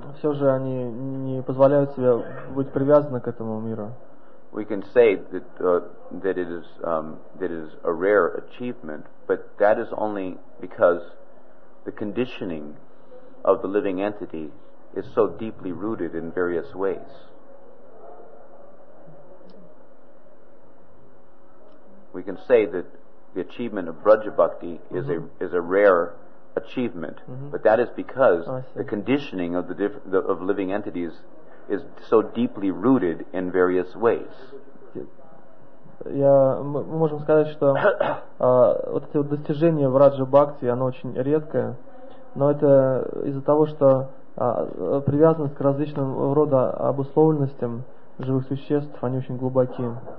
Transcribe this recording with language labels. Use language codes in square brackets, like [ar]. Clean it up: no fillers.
[ru] Все же они не позволяют себе быть привязаны к этому миру. [en] We can say that that it is a rare achievement, but that is only because the conditioning of the living entity is so deeply rooted in various ways. We can say that the achievement of Braja Bhakti is a rare achievement, but that is because the conditioning of the living entities is so deeply rooted in various ways. [ru] Мы можем сказать, что вот эти вот достижения в Раджа Бхакти, оно очень редкое, но это из-за того, что привязанность к различным рода обусловленностям живых существ, они очень глубоки.